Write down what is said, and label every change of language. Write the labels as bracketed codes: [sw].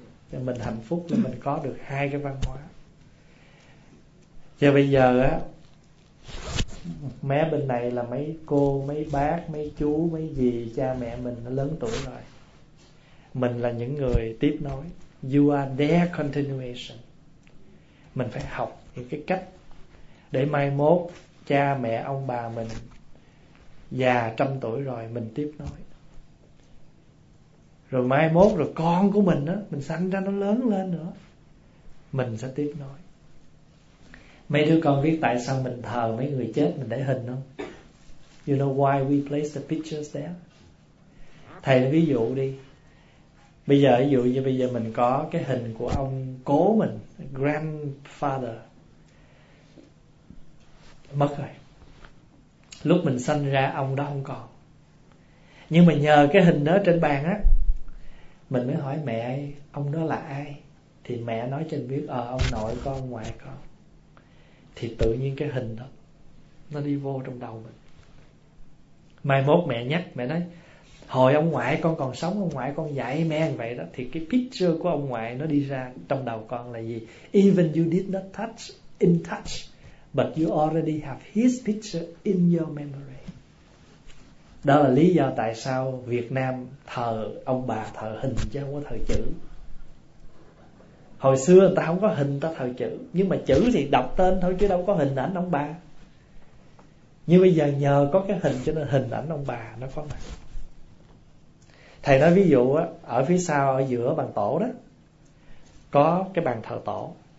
[vi] Thì mình hạnh phúc là mình có được hai cái văn hóa. Và bây giờ á, mé bên này là mấy cô, mấy bác, mấy chú, mấy dì, cha mẹ mình nó lớn tuổi rồi. Mình là những người tiếp nối. [en] You are their continuation. [vi] Mình phải học những cái cách để mai mốt cha mẹ ông bà mình già trăm tuổi rồi mình tiếp nối. Rồi mai mốt rồi con của mình á, mình sanh ra nó lớn lên nữa, mình sẽ tiếp nối. Mấy đứa con biết tại sao mình thờ mấy người chết mình để hình không? [en] You know why we place the pictures there? [vi] Thầy ví dụ đi. Bây giờ ví dụ như bây giờ mình có cái hình của ông cố mình, grandfather, mất rồi. Lúc mình sanh ra ông đó không còn. Nhưng mà nhờ cái hình đó trên bàn á, mình mới hỏi mẹ ông đó là ai. Thì mẹ nói cho mình biết, ông nội con, ngoại con. Thì tự nhiên cái hình đó nó đi vô trong đầu mình. Mai mốt mẹ nhắc, mẹ nói hồi ông ngoại con còn sống, ông ngoại con dạy mẹ như vậy đó, thì cái picture của ông ngoại nó đi ra trong đầu con là gì? [en] Even you did not touch in touch, but you already have his picture in your memory. [vi] Đó là lý do tại sao Việt Nam thờ ông bà thờ hình chứ không có thờ chữ. Hồi xưa người ta không có hình, ta thờ chữ. Nhưng mà chữ thì đọc tên thôi chứ đâu có hình ảnh ông bà. Nhưng bây giờ nhờ có cái hình cho nên hình ảnh ông bà nó có mặt. Thầy nói ví dụ á, ở phía sau, ở giữa bàn tổ đó, có cái bàn thờ tổ.